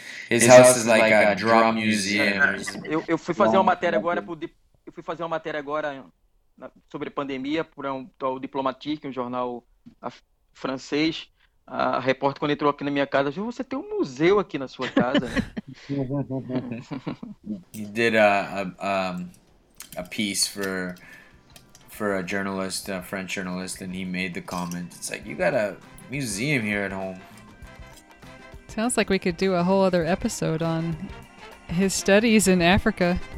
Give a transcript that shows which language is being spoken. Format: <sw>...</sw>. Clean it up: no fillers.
<en>His house is like a drum museum.</en> <pt>Eu fui fazer uma matéria agora sobre pandemia para um tal Diplomatique, um jornal francês. A repórter, quando entrou aqui na minha casa, disse: "Você tem um museu aqui na sua casa."</pt> <en>He did a piece for a journalist, a French journalist, and he made the comment. It's like, you got a museum here at home. Sounds like we could do a whole other episode on his studies in Africa.</en>